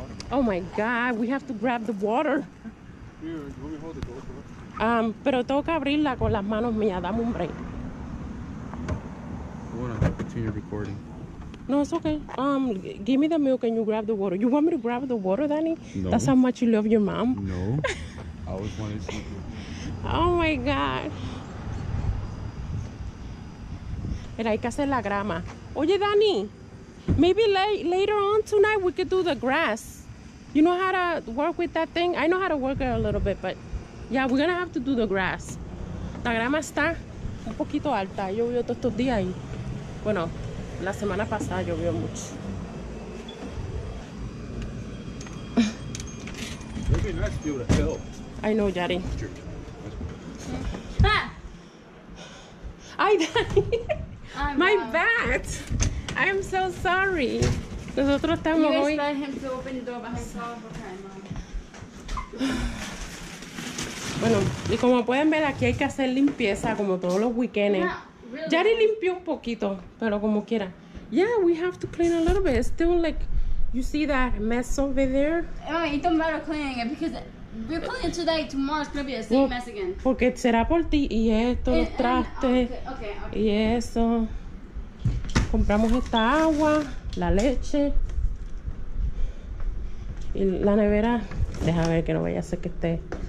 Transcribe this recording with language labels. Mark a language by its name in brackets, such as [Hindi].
[English] Oh my god, we have to grab the water. [Spanish] Pero tengo que abrirla con las manos mías. Dame un break. [English] I want to continue recording. No, it's okay. Give me the milk and you grab the water. You want me to grab the water, Danny? No. That's how much you love your mom? No. I always wanted to see you. Oh, my God. [Spanish] Pero hay que hacer la grama. Oye, Danny. [English] Maybe later on tonight we could do the grass. You know how to work with that thing? I know how to work it a little bit, but... Yeah, we're gonna have to do the grass. [Spanish] La grama está un poquito alta. Llovió todos estos días y, bueno, la semana pasada llovió mucho. [English] It'd be nice to be able to help. I know, Yari. Ay, Dani. My bad. I'm so sorry. [Spanish] Nosotros estamos hoy. [English] You guys let him to open the door by himself. Okay, mom. [Spanish] Bueno, y como pueden ver, aquí hay que hacer limpieza como todos los weekends. [English] Really. [Spanish] Yari limpió un poquito, pero como quiera. [English] Yeah, we have to clean a little bit. It's still like, you see that mess over there? It don't matter cleaning it because we're cleaning today. Tomorrow it's going to be the same mess again. [Spanish] Porque será por ti y esto, los trastes. Okay. Y eso. Compramos esta agua, la leche. Y la nevera. Deja ver que no vaya a ser que esté.